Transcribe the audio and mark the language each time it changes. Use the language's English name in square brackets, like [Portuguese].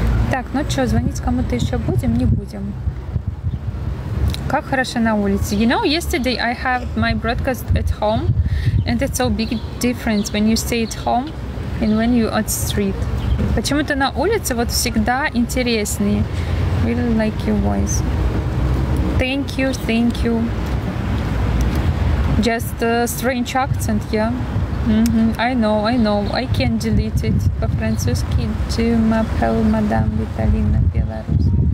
[Russian] Так, ну что, звонить кому-то еще будем? Не будем. Как хорошо на улице. [English] You know, yesterday I had my broadcast at home, and it's a big difference when you stay at home and when you on street. [Russian] Почему-то на улице вот всегда интереснее. [English] Really like your voice. Thank you. Just a strange accent, yeah? I know, I can delete it. [Russian] По-французски, Джимапел, мадам Виталина, Беларусь.